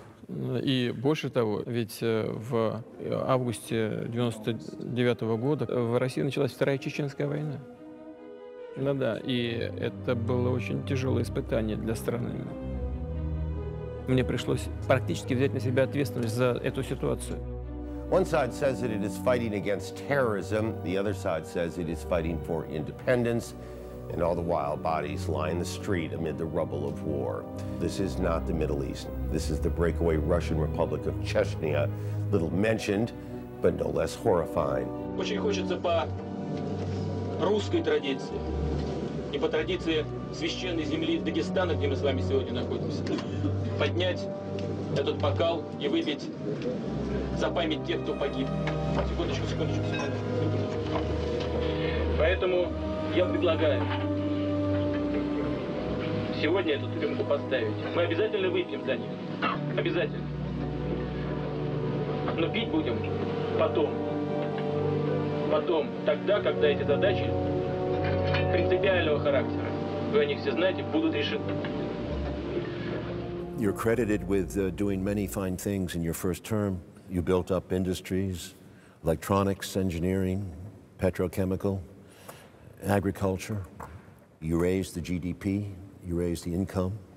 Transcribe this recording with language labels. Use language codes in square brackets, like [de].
[ru] И больше того, ведь в августе 99 года в России началась Вторая Чеченская война. Да-да, и это было очень тяжелое испытание для страны. Мне пришлось практически взять на себя ответственность за эту ситуацию. [en] One side says that it is fighting against terrorism. The other side says it is fighting for independence. And all the while, bodies line the street amid the rubble of war. This is not the Middle East. This is the breakaway Russian Republic of Chechnya, little mentioned, but no less horrifying. [ru] Очень хочется по русской традиции и по традиции священной земли Дагестана, где мы с вами сегодня находимся, поднять этот бокал и выпить. За память тех, кто погиб. Секундочку. Поэтому я предлагаю сегодня эту рюмку поставить. Мы обязательно выпьем за них. Обязательно. Но пить будем потом. Потом, тогда, когда эти задачи принципиального характера, вы о них все знаете, будут решены. [en] You're credited with doing many fine things in your first term. You built up industries, electronics, engineering, petrochemical, agriculture. You raised the GDP, you raised the income.